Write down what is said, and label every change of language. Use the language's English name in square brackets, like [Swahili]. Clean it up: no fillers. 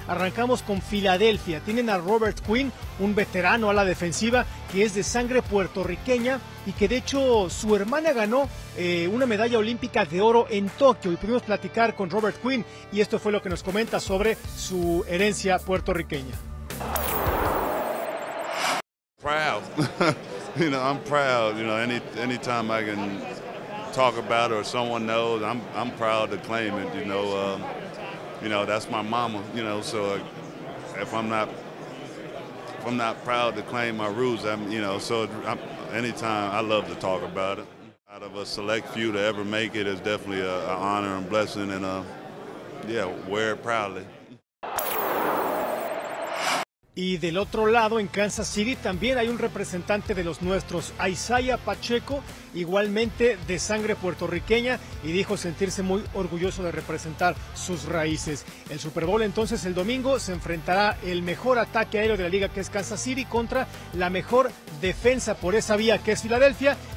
[Spanish] Arrancamos con Filadelfia. Tienen a Robert Quinn, un veterano a la defensiva, que es de sangre puertorriqueña y que de hecho su hermana ganó una medalla olímpica de oro en Tokio. Y pudimos platicar con Robert Quinn y esto fue lo que nos comenta sobre su herencia puertorriqueña. [English] Proud, you know. I'm proud. You know, any time I can talk about it or someone knows, I'm proud to claim it. You know, that's my mama. You know, so if I'm not proud to claim my roots, anytime I love to talk about it. Out of a select few to ever make it is definitely an honor and blessing, and wear it proudly. [Spanish] Y del otro lado, en Kansas City, también hay un representante de los nuestros, Isaiah Pacheco, igualmente de sangre puertorriqueña, y dijo sentirse muy orgulloso de representar sus raíces. El Super Bowl, entonces, el domingo, se enfrentará el mejor ataque aéreo de la liga, que es Kansas City, contra la mejor defensa por esa vía, que es Filadelfia.